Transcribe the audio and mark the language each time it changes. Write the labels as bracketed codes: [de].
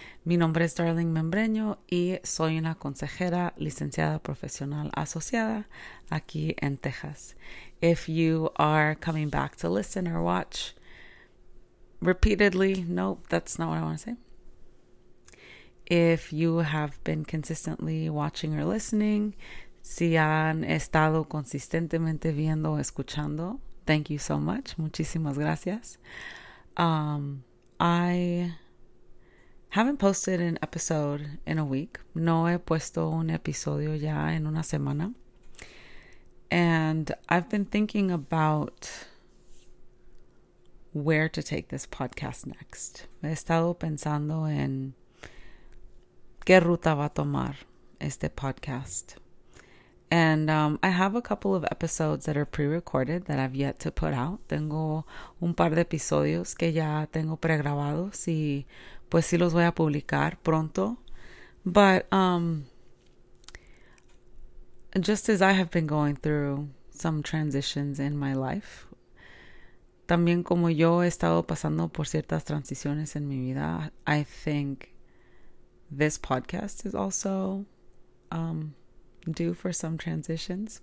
[es] Mi nombre es Darling Membreño y soy una consejera licenciada profesional asociada aquí en Texas. [en] If you are coming back to listen or watch, repeatedly, nope, that's not what I want to say. If you have been consistently watching or listening, [es] si han estado consistentemente viendo o escuchando, [en] thank you so much. [es] Muchísimas gracias. [en] I haven't posted an episode in a week. [es] No he puesto un episodio ya en una semana. [en] And I've been thinking about where to take this podcast next. [es] He estado pensando en qué ruta va a tomar este podcast. [en] And I have a couple of episodes that are pre-recorded that I've yet to put out. [es] Tengo un par de episodios que ya tengo pregrabados y pues sí los voy a publicar pronto. [en] But just as I have been going through some transitions in my life, [es] también como yo he estado pasando por ciertas transiciones en mi vida, [en] I think this podcast is also due for some transitions.